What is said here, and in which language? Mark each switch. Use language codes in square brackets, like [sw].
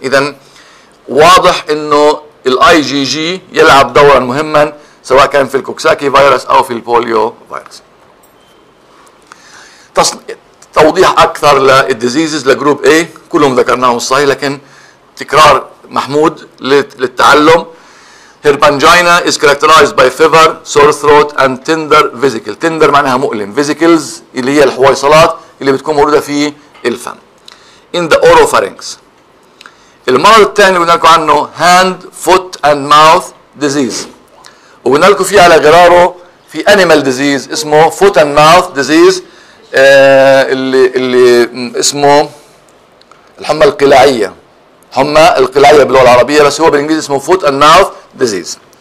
[ar] اذا واضح انه الاي جي جي يلعب دورا مهما سواء كان في الكوكساكي فيروس او في البوليو فيروس. توضيح اكثر للديزيزز لجروب A كلهم ذكرناهم الصحيح، لكن تكرار محمود للتعلم. [en] Herpangina is characterized by fever, sore throat and tender vesicle. [ar] tender معناها مؤلم، vesicles اللي هي الحويصلات اللي بتكون موجودة في الفم. [en] in the oropharynx. [ar] المرض الثاني اللي قلنا لكم عنه hand, foot and mouth disease، وقلنا لكم فيه على غراره في animal disease اسمه foot and mouth disease، اللي اسمه الحمى القلاعية، حمى القلاعية باللغة العربية، بس هو بالانجليزي اسمه foot and mouth disease.